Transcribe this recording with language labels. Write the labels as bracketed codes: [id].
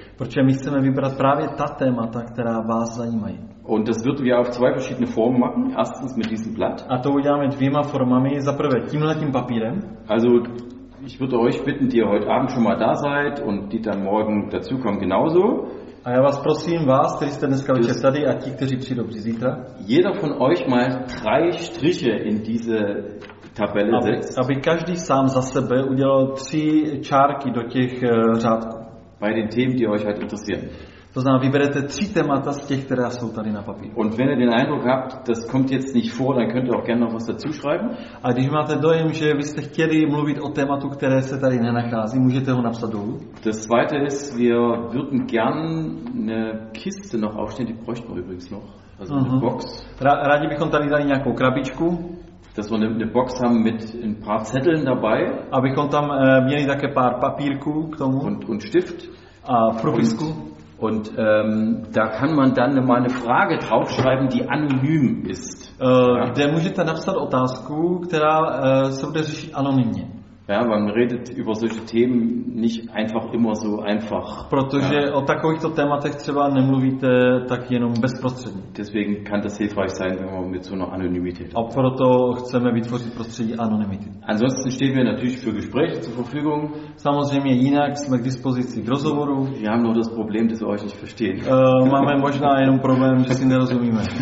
[cs] Protože my chceme vybrat právě ta témata, která vás zajímají. [de] Und das würden wir auf zwei verschiedene Formen machen. Erstens mit diesem Blatt. [cs] A to uděláme dvěma formami. Za prvé tímhletím papírem. [de] Also ich würde euch bitten, die ihr heute Abend schon mal da seid und die dann morgen dazukommen, genauso. [cs] A já vás prosím, vás, kteří jste dneska večer tady a ti, kteří přijdou zítra. [de] Jeder von euch mal drei Striche in diese Tabelle setzt. [cs] Aby každý sám za sebe udělal tři čárky do těch řádků. [de] Bei den Themen, die euch halt interessieren. [cs] To znamená, vyberete tři témata z těch, které jsou tady na papíru. [de] Und wenn ihr den Eindruck habt, das kommt jetzt nicht vor, dann könnt ihr auch gerne noch was dazu schreiben. [cs] A když máte dojem, že byste chtěli mluvit o tématu, které se tady nenachází, můžete ho napsat dolů. [de] Das zweite ist, wir würden gern eine Kiste noch aufstellen, die bräuchten wir übrigens noch. Also eine Box. [cs] Rádi bychom tady dali nějakou krabičku. [de] Dass wir eine Box haben mit ein paar Zetteln dabei. [cs] Abychom tam měli také pár papírků k tomu. [de] Und Stift. [cs] A propisku. [de] Und da kann man dann mal eine Frage draufschreiben, die anonym ist. [cs] Kde můžete napsat otázku, která se bude řešit anonymně. [de] Ja, man redet über solche Themen nicht einfach immer so einfach. [cs] Protože o takovýchto tématech třeba nemluvíte tak jenom bezprostředně. [de] Deswegen kann das hilfreich sein, wenn man mit so einer Anonymität. [cs] A proto chceme vytvořit prostředí anonymity. [de] Ansonsten stehen wir natürlich für Gespräche zur Verfügung. [cs] Samozřejmě jinak jsme k dispozici k rozhovoru. [de] Wir haben nur das Problem, dass wir euch nicht verstehen. [cs] Máme možná jenom problém, že si nerozumíme.